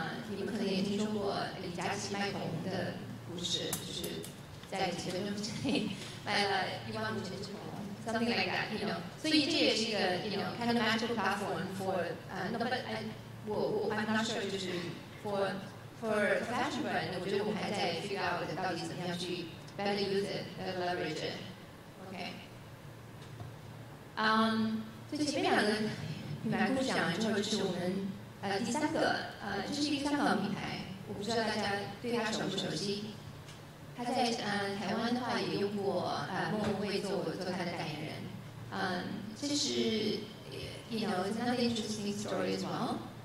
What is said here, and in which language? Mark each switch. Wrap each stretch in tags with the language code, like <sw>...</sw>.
<zh>你们可能也听说过李佳琦卖口红的故事，就是在几分钟之内卖了15000支口红。</zh> <en>Something like that, you know.</en> <zh>所以这也是一个</zh> <en>you know, kind of magical platform for, I'm not sure,</en> <zh>就是</zh> <en>for fashion brand,</en> <zh>我觉得我们还在</zh> <en>figure out</en> <zh>到底怎么样去</zh> <en>better use it, better leverage it. Okay.</en> <zh>所以前面两个品牌共享完之后，就是我们第三个，这是一个香港品牌，我不知道大家对它熟不熟悉。他在台湾的话也用过莫文蔚做他的代言人，其实</zh> <en>you know it's another interesting story as well。</en>